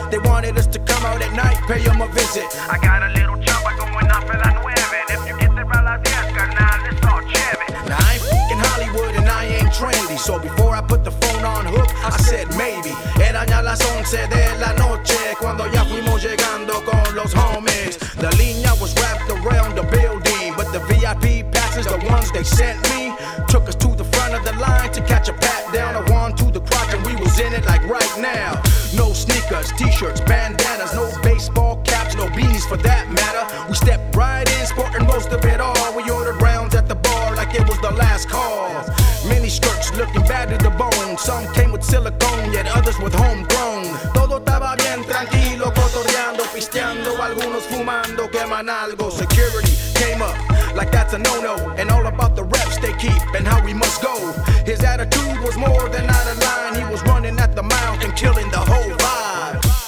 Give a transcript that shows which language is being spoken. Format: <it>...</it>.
<en>They wanted us to come out at night, pay them a visit. I got a little chopper going off at 11. If you get the relatives, carnal, it's all chevy. Now, I ain't f***ing Hollywood and I ain't trendy. So before I put the phone on hook, I said maybe.</en> <es>Eran ya las 11 de la noche, cuando ya fuimos llegando con los homies.</es> <en>The línea was wrapped around the building, but the VIP passes, the ones they sent me, took us to the front of the line to catch a pat down. A one to the crotch and we was in it like right now. No sneakers, t-shirts, bandanas, no baseball caps, no beanies for that matter. We stepped right in, sporting most of it all. We ordered rounds at the bar like it was the last call. Mini skirts looking bad to the bone. Some came with silicone, yet others with homegrown.</en> <es>Todo estaba bien tranquilo, cotorreando, pisteando, algunos fumando, queman algo.</es> <en>Security came up like that's a no-no, and all about the reps they keep and how we must go. His attitude was more than out of line. He was running at the mouth and killing the whole vibe.</en>